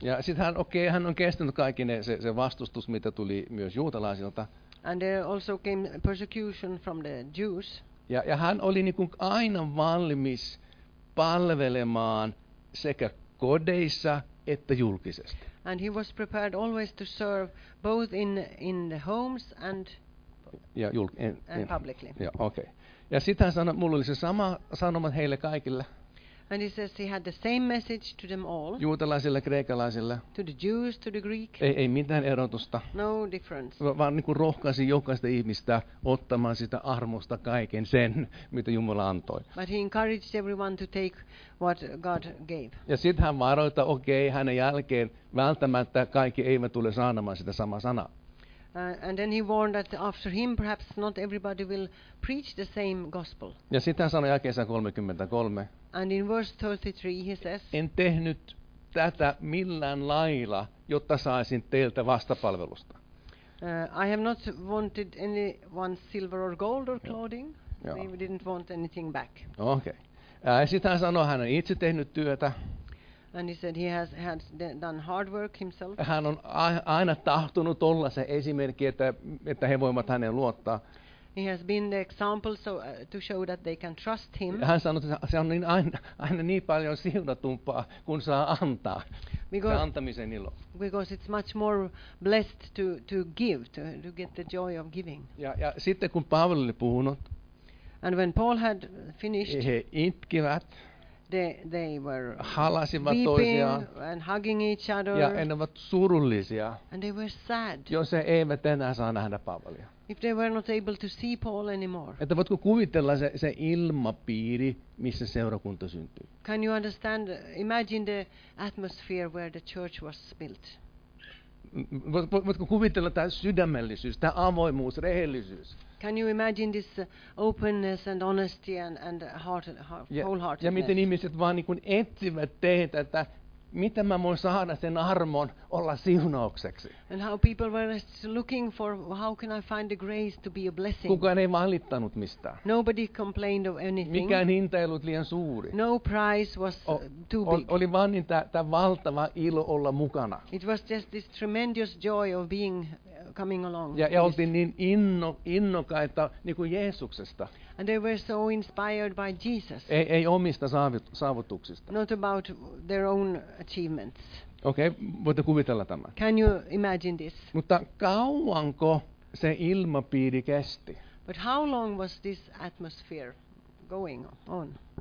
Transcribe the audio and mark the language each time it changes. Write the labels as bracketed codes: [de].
[fi] Ja sitten hän on kestänyt kaikki se vastustus, mitä tuli myös juutalaisilta. [en] And there also came persecution from the Jews. [fi] Ja hän oli niin kuin aina valmis palvelemaan sekä kodeissa että julkisesti. [en] And he was prepared always to serve both in the homes and and publicly. Yeah, okay. [fi] Ja sitten hän sanoi, mulla oli se sama sanoma heille kaikille. [en] And he says he had the same message to them all. [fi] Juutalaisille, kreikalaisille. [en] To the Jews, to the Greek. [fi] Ei mitään erotusta. [en] No difference. [fi] Vaan niin kuin rohkaisi jokaista ihmistä ottamaan sitä armosta kaiken sen, mitä Jumala antoi. [en] But he encouraged everyone to take what God gave. [fi] Ja sitten hän varoi, että okei, hänen jälkeen välttämättä kaikki eivät tule saamaan sitä samaa sanaa. [en] And then he warned that after him perhaps not everybody will preach the same gospel. [fi] Ja sitten hän sanoi jakeessa 33. [en] And in verse 33 he says, [fi] en tehnyt tätä millään lailla, jotta saisin teiltä vastapalvelusta. [en] I have not wanted anyone's silver or gold or clothing. Yeah. We didn't want anything back. Okei. Okay. [fi] Ja sitten hän sanoi, hän on itse tehnyt työtä. [en] And he said he has had done hard work himself. [fi] Hän on aina tahtonut olla se esimerkki, että he voivat häneen luottaa. [en] He has been the example so to show that they can trust him. [fi] Hän sanoi, että se on niin aina niin paljon siunatumpaa, kun saa antaa. [en] Because, [fi] se antamisen ilo. [en] Because it's much more blessed to give, to get the joy of giving. [fi] Ja sitten kun Paavali oli puhunut. [en] And when Paul had finished. [fi] He itkivät. [en] They were [fi] halasivat toisiaan [en] and hugging each other, [fi] ja en ovat surullisia, [en] and they were sad, [fi] jos he eivät enää saa nähdä Paavalia. [en] If they were not able to see Paul anymore. [fi] Että voitko kuvitella se ilmapiiri, missä seurakunta syntyi? [en] Can you understand, imagine the atmosphere where the church was built? [fi] Voitko kuvitella tämä sydämellisyys, tämä avoimuus, rehellisyys? [en] Can you imagine this openness and honesty and wholeheartedness? [fi] Ja miten ihmiset vaan niin kuin etsivät teitä, että miten mä voin saada sen armon olla siunaukseksi? [en] And how people were looking for how can I find the grace to be a blessing? [fi] Kukaan ei valittanut mistään. [en] Nobody complained of anything. [fi] Mikään hinta ei ollut liian suuri. [en] No price was too big. [fi] Oli vaan niin tämä valtava ilo olla mukana. [en] It was just this tremendous joy of being coming along. [fi] Ja oltiin niin innokkaita niin kuin Jeesuksesta. [en] And they were so inspired by Jesus. [fi] Ei omista saavutuksista. [en] Not about their own achievements. [fi] Okay, voitte kuvitella tämän. [en] Can you imagine this? [fi] Mutta kauanko se ilmapiiri kesti? [en] But how long was this atmosphere going on?